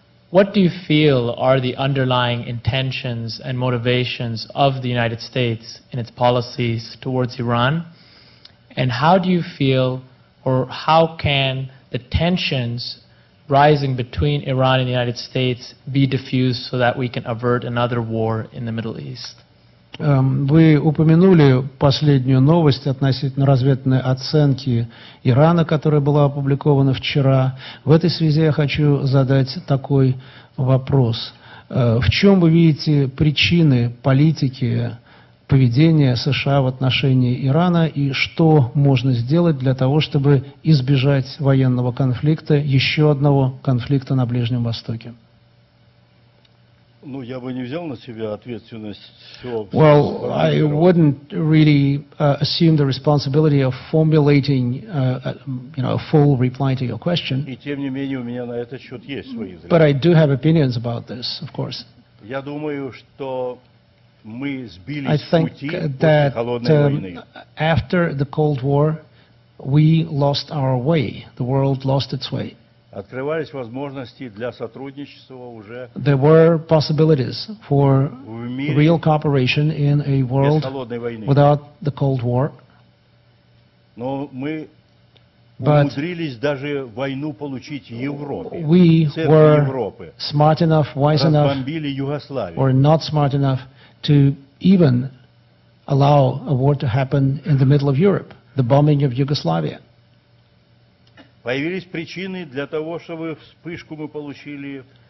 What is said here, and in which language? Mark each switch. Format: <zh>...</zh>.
<en>What do you feel are the underlying intentions and motivations of the United States in its policies towards Iran? And how do you feel, or how can the tensions rising between Iran and the United States be diffused so that we can avert another war in the Middle East?</en> <ru>Вы упомянули последнюю новость относительно разведывательной оценки Ирана, которая была опубликована вчера. В этой связи я хочу задать такой вопрос. В чем вы видите причины политики поведения США в отношении Ирана, и что можно сделать для того, чтобы избежать военного конфликта, еще одного конфликта на Ближнем Востоке? Ну, я бы не взял на себя ответственность.</ru> <en>Well, I wouldn't really assume the responsibility of formulating, a full reply to your question.</en> <ru>И тем не менее у меня на этот счет есть свои взгляды.</ru> <en>But I do have opinions about this, of course.</en> <ru>Я думаю, что мы сбились с пути после холодной войны.</ru> <en>After the Cold War, we lost our way. The world lost its way.</en> <ru>Открывались возможности для сотрудничества уже.</ru> <en>There were possibilities for real cooperation in a world without the Cold War.</en> <ru>Но мы умудрились даже войну получить в Европе.</ru> <en>We were smart enough, wise enough,</en> <ru>разбомбили Югославию.</ru> <en>Or not smart enough to even allow a war to happen in the middle of Europe, the bombing of Yugoslavia.</en> <ru>Появились причины для того, чтобы вспышку мы получили</ru>